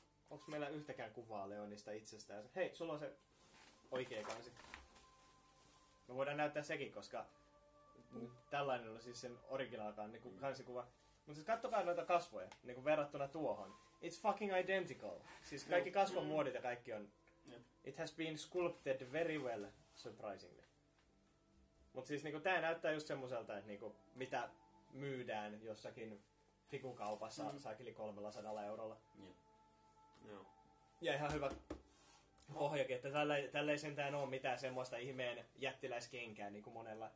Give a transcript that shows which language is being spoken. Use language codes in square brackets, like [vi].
[fi] Onks meillä yhtäkään kuvaa Leonista itsestään? Hei, sulla on se oikea kansi. Me voidaan näyttää sekin, koska... Tällainen on siis sen originaalkaan niinku kansikuva. Mut siis kattokaa noita kasvoja, niinku verrattuna tuohon. [en] It's fucking identical. [fi] Siis kaikki kasvon muodit ja kaikki on... [en] It has been sculpted very well, surprisingly. [fi] Mut siis niinku tää näyttää just semmoselta, että niinku mitä myydään jossakin figukaupassa saakeli 300 €. Joo. Ja ihan hyvä ohjakin, että tällä ei sentään oo mitään semmoista ihmeen jättiläiskenkää niinku monella.